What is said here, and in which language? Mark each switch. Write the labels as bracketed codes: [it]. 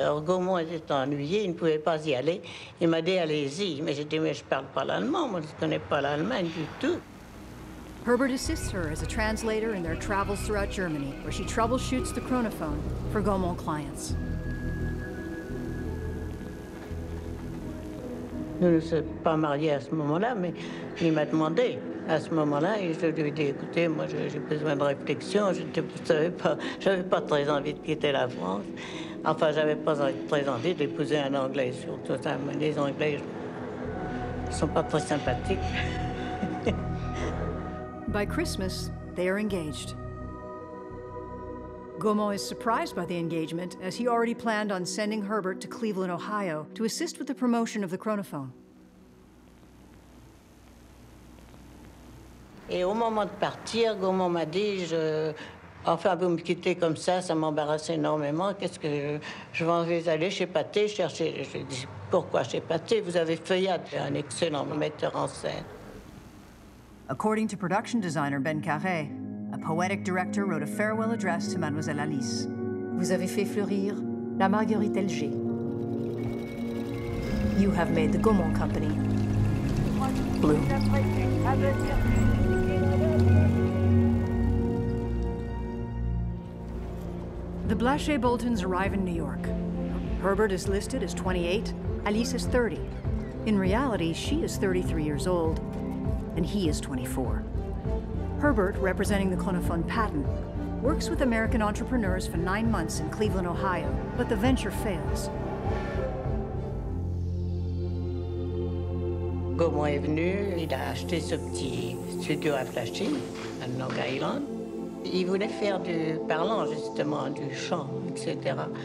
[fr] Or, Gaumont était ennuyé, il ne pouvait pas y aller. Il m'a dit, allez-y. Mais j'ai dit, mais je ne parle pas l'allemand, moi, je ne connais pas l'Allemagne du tout. [en] Herbert assists her as a translator in their travels throughout Germany, where she troubleshoots the chronophone for Gaumont clients. [fr] Nous ne sommes pas mariés à ce moment-là, mais il m'a demandé. À ce moment-là, je lui ai dit, écoutez, moi, j'ai besoin de réflexion. Je ne savais pas très envie de quitter la France. Enfin, je n'avais pas très envie d'épouser un Anglais, surtout. Les Anglais ne sont pas très sympathiques. [en] By Christmas, they are engaged. Gaumont is surprised by the engagement, as he already planned on sending Herbert to Cleveland, Ohio, to assist with the promotion of the chronophone. [fr] Et au moment de partir, Gaumont m'a dit, enfin, vous me quittez comme ça, ça m'embarrasse énormément. Qu'est-ce que je vais aller chez Pâté chercher. Je lui ai dit, pourquoi chez Pâté? Vous avez Feuillade, un excellent metteur en scène. [en] According to production designer Ben Carré, a poetic director wrote a farewell address to Mademoiselle Alice. [fr] Vous avez fait fleurir la Marguerite LG. [en] You have made the Gaumont Company. Blue. The Blaché Boltons arrive in New York. Herbert is listed as 28, Alice is 30. In reality, she is 33 years old, and he is 24. Herbert, representing the chronophone patent, works with American entrepreneurs for 9 months in Cleveland, Ohio, but the venture fails. [fr] Gaumont est venu, il a acheté ce petit studio à Blaché, à Long Island. Il voulait faire du parlant, justement, du chant, etc.